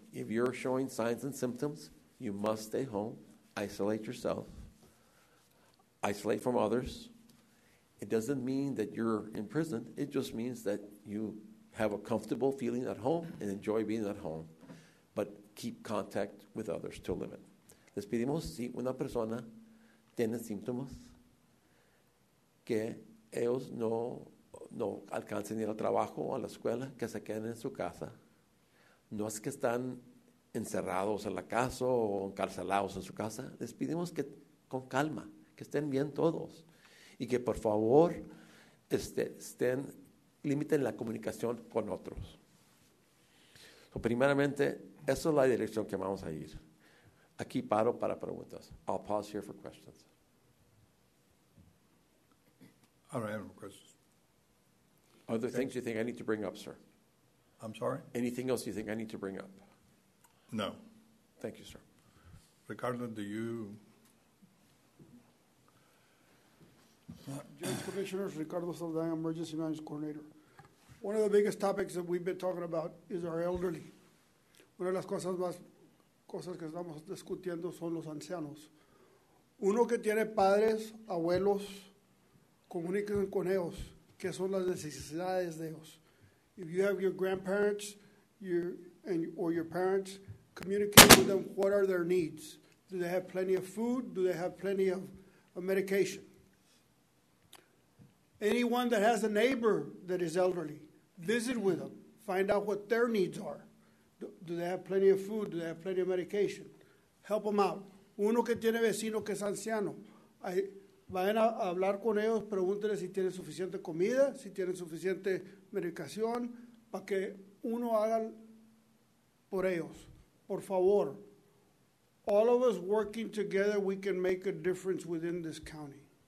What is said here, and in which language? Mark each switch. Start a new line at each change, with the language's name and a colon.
English: If you're showing signs and symptoms, you must stay home, isolate yourself, isolate from others. It doesn't mean that you're in prison. It just means that you have a comfortable feeling at home and enjoy being at home, but keep contact with others to a limit.
Spanish: Les pedimos si una persona tiene síntomas que ellos no alcancen ir al trabajo o a la escuela, que se queden en su casa. No es que están encerrados en la casa o encarcelados en su casa. Les pedimos que con calma, que estén bien todos y que por favor limiten la comunicación con otros. So, primeramente, esa es la dirección que vamos a ir. Aquí paro para preguntas.
English: I'll pause here for questions. I don't have any questions. Other things you think I need to bring up, sir? I'm sorry? Anything else you think I need to bring up? No. Thank you, sir. Ricardo, do you? Judge Commissioners, Ricardo Saldana, Emergency Management Coordinator. One of the biggest topics that we've been talking about is our elderly.
Spanish: Una de las cosas más cosas que estamos discutiendo son los ancianos. Uno que tiene padres, abuelos, comuníquense con ellos, qué son las necesidades de ellos.
English: If you have your grandparents, or your parents, communicate with them what are their needs. Do they have plenty of food? Do they have plenty of medication? Anyone that has a neighbor that is elderly, visit with them. Find out what their needs are. Do they have plenty of food? Do they have plenty of medication? Help them out.
Spanish: Uno que tiene vecino que es anciano. Vayan a hablar con ellos, pregúntenles si tienen suficiente comida, si tienen suficiente medicación, para que uno haga por ellos. Por favor,
English: all of us working together, we can make a difference within this county.